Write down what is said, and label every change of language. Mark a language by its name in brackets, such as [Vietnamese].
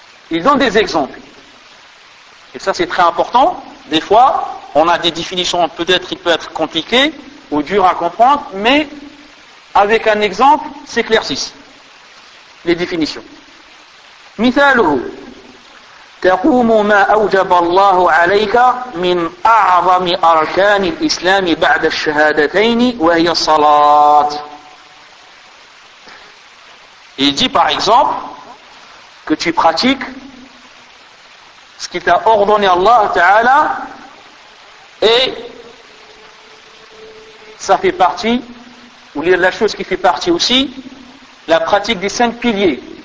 [French] Ils donnent des exemples. Et ça, c'est très important. Des fois, on a des définitions, peut-être qui peuvent être compliquées ou dures à comprendre, mais avec un exemple, s'éclaircissent les définitions. [Arabic] مثاله تقوم ما أوجب الله عليك من أعظم أركان الإسلام بعد الشهادتين وهي الصلاة. [French] Il dit par exemple que tu pratiques ce qui t'a ordonné Allah Ta'ala et ça fait partie, ou la chose qui fait partie aussi, la pratique des cinq piliers.